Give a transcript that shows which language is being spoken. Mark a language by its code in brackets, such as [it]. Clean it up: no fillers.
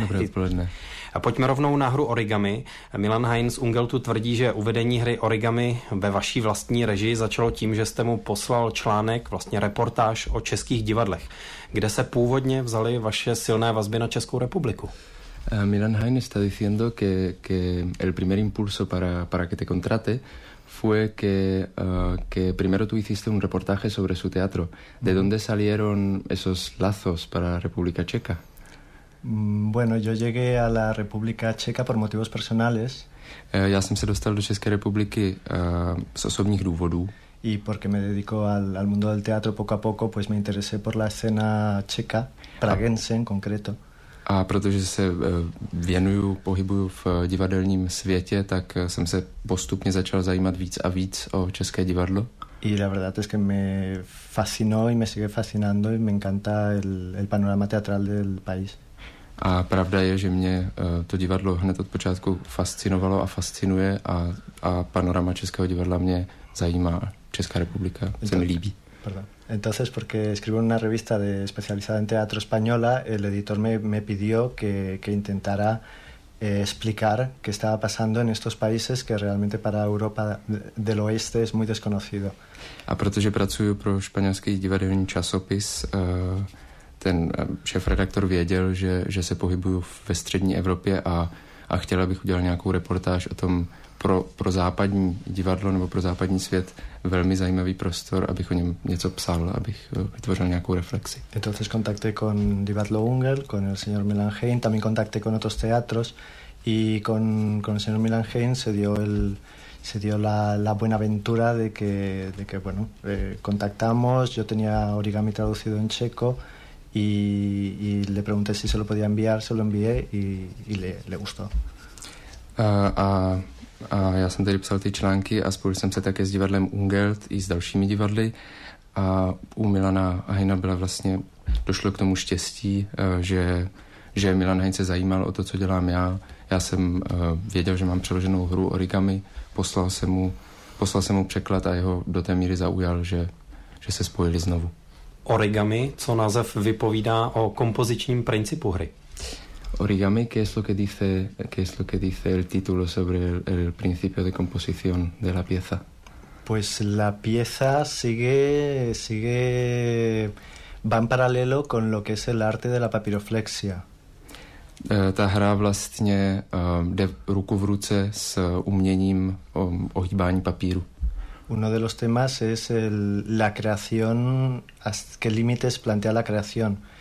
[cs] Dobré odpoledne. A pojďme rovnou na hru Origami. Milan Hein z Ungeltu tvrdí, že uvedení hry Origami ve vaší vlastní režii začalo tím, že jste mu poslal článek, vlastně reportáž o českých divadlech. Kde se původně vzaly vaše silné vazby na Českou republiku? [es] Milan Hein está diciendo que el primer impulso para que te contrate fue que primero tú hiciste un reportaje sobre su teatro. ¿De dónde salieron esos lazos para la República Checa? Bueno, yo llegué a la República Checa por motivos personales. [cs] Ya jsem se dostal do České republiky z osobních důvodů. [es] Y porque me dedico al mundo del teatro poco a poco, pues me interesé por la escena checa, pragense en concreto. [cs] A protože se věnuju, pohybuju v divadelním světě, tak jsem se postupně začal zajímat víc a víc o české divadlo. [es] Y la verdad es que me fascinó y me sigue fascinando y me encanta el panorama teatral del país. [cs] A pravda je, že mě to divadlo hned od počátku fascinovalo a fascinuje a panorama českého divadla mě zajímá. Česká republika se mi líbí. [es] Entonces, porque escribo en una revista de especializada en teatro española, el editor me pidió que intentara explicar qué estaba pasando en estos países que realmente para Europa del Oeste es muy desconocido. [cs] A protože pracuju pro španělský divadelní časopis, ten šéfredaktor věděl, že se pohybuju ve střední Evropě a chtěl, abych udělal nějakou reportáž o tom, pro západní divadlo nebo pro západní svět velmi zajímavý prostor, abych o něm něco psal, abych vytvořil nějakou reflexi. [es] Entonces contacté con Divadlo Ungel, con el señor Milan Hein, también contacté con otros teatros y con el señor Milan Hein se dio la buena aventura de que bueno, contactamos, yo tenía Origami traducido en checo y le pregunté si se lo podía enviar, se lo envié y le gustó. [cs] A já jsem tedy psal ty články a spojil jsem se také s divadlem Ungeld i s dalšími divadly a u Milana Heina byla vlastně, došlo k tomu štěstí, že Milan Hein se zajímal o to, co dělám já. Já jsem věděl, že mám přeloženou hru Origami, poslal jsem mu překlad a jeho do té míry zaujal, že se spojili znovu. Origami, co název vypovídá o kompozičním principu hry? [es] Origami, ¿qué es lo que dice el título sobre el principio de composición de la pieza? Pues la pieza sigue va en paralelo con lo que es el arte de la papiroflexia. [cs] Ta hra vlastně jde ruku v ruce s uměním ohýbání papíru. [es] Uno de los temas es la creación, ¿qué límites plantea la creación?